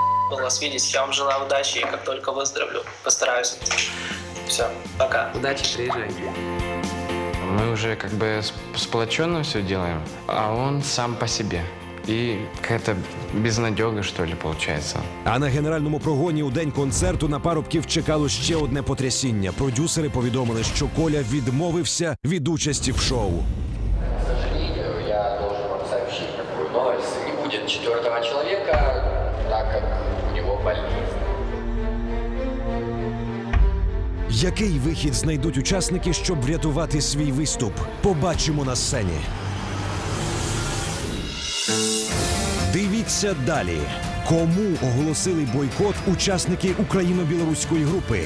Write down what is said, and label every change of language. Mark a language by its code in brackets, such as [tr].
[ru] Было светить, я вам желаю удачи, и как только выздоровлю, постараюсь. Все, пока. Удачи, приезжай. Мы уже как бы сплоченно все делаем, а он сам по себе. І какая-то безнадега, что ли, получается. [uk] А на генеральному прогоні у день концерту на парубків чекало ще одне потрясіння. Продюсери повідомили, що Коля відмовився від участі в шоу. [ru] К сожалению, я должен вам сообщить такую новость. Не будет четвертого человека, так как у него болезнь. [uk] Який вихід знайдуть учасники, щоб врятувати свій виступ? Побачимо на сцені. Дивіться далі. Кому оголосили бойкот учасники україно-білоруської групи?